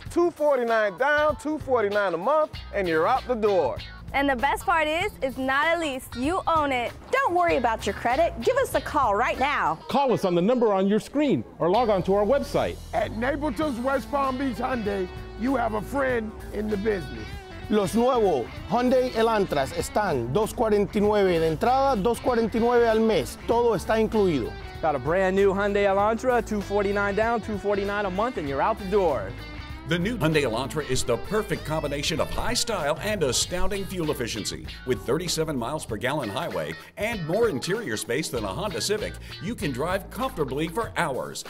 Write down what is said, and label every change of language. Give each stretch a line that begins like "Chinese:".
English: $249 down, $249 a month, and you're out the door. And the best part is, it's not a lease. You own it. Don't worry about your credit. Give us a call right now. Call us on the number on your screen or log on to our website. At Napleton's West Palm Beach Hyundai, you have a friend in the business.
Spanish: Los nuevos Hyundai Elantras están $249 de entrada, $249 al mes. Todo está incluido.
English: Got a brand new Hyundai Elantra, $249 down, $249 a month, and you're out the door. The new Hyundai Elantra is the perfect combination of high style and astounding fuel efficiency. With 37 miles per gallon highway and more interior space than a Honda Civic, you can drive comfortably for hours.